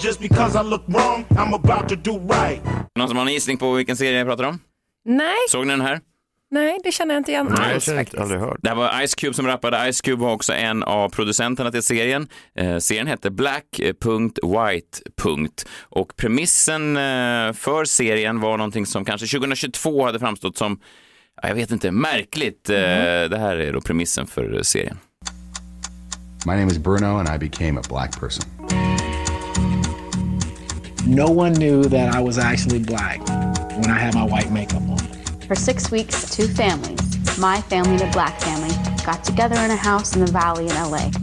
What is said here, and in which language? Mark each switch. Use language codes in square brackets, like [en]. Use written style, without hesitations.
[en] Just because I look wrong, I'm about to do right. [sv] Någon som har en gissning på vilken serie jag pratar om? Nej. Såg ni den här? Nej, det känner jag inte igen. Nej, jag har inte aldrig hört. Det var Ice Cube som rappade. Ice Cube var också en av producenterna till serien. Serien hette Black.White. Och premissen för serien var någonting som kanske 2022 hade framstått som, jag vet inte, märkligt. Det här är då premissen för serien. [en] My name is Bruno and I became a black person. No one knew that I was actually black when I had my white makeup on. For six weeks, two families, my family and a black family, got together in a house in the valley in LA.